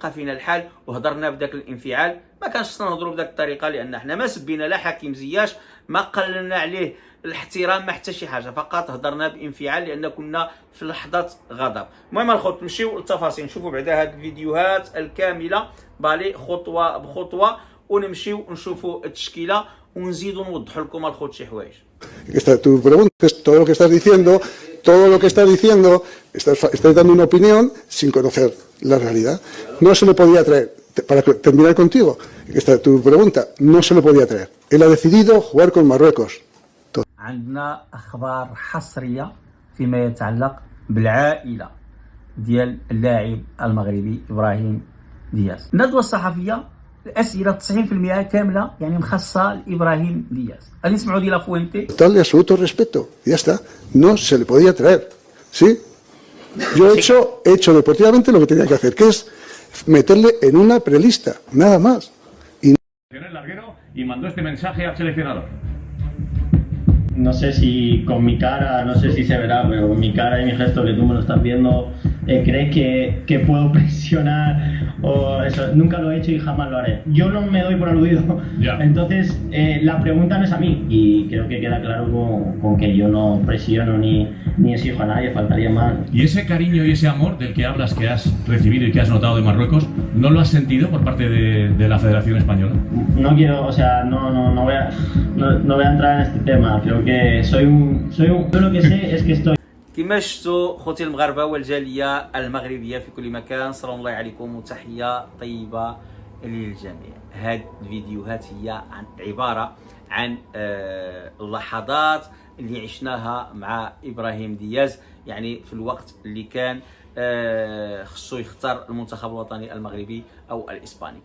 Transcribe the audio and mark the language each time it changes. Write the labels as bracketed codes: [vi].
[ar] بقى فينا الحال وهضرنا بداك الانفعال، ما كانش خصنا نهضروا بداك الطريقه لان حنا ما سبينا لا حكيم زياش، ما قللنا عليه الاحترام، ما حتى شي حاجه، فقط هضرنا بانفعال لان كنا في لحظه غضب. المهم الخوت نمشيو للتفاصيل، نشوفوا بعدا هاد الفيديوهات الكامله بالي خطوه بخطوه، ونمشيو نشوفوا التشكيله ونزيدو نوضحوا لكم الخوت شي حوايج. [es] Tu preguntas todo lo que estás diciendo, todo lo que estás diciendo, estás dando una opinión sin conocer la realidad. No se lo podía traer. Para terminar contigo, tu pregunta, no se lo podía traer. Él ha decidido jugar con Marruecos. [ar] عندنا اخبار حصريه فيما يتعلق بالعائله ديال اللاعب المغربي ابراهيم دياز. الندوه الصحفيه الاسئله 90% كامله يعني مخصصه لابراهيم دياز. غادي نسمعوا دي لا فوينتي. [es] Dale absoluto respeto. Ya está. No se le podía traer. ¿Sí? Yo he hecho deportivamente lo que tenía que hacer, que es meterle en una prelista, nada más. Y en el larguero y mandó este mensaje al seleccionador. No sé si con mi cara, no sé si se verá, pero con mi cara y mi gesto que tú me lo estás viendo, ¿crees que puedo presionar o eso? Nunca lo he hecho y jamás lo haré. Yo no me doy por aludido. Ya. Entonces, la pregunta no es a mí. Y creo que queda claro con que yo no presiono ni exijo a nadie, faltaría más. ¿Y ese cariño y ese amor del que hablas que has recibido y que has notado de Marruecos, no lo has sentido por parte de la Federación Española? No quiero, o sea, no voy a entrar en este tema. Creo que soy un, lo que sé es que estoy... [ar] كما شفتوا خوتي المغاربه والجاليه المغربيه في كل مكان، السلام الله عليكم وتحيه طيبه للجميع. هاد الفيديوهات هي عن عباره عن اللحظات اللي عشناها مع ابراهيم دياز، يعني في الوقت اللي كان خصو يختار المنتخب الوطني المغربي او الاسباني.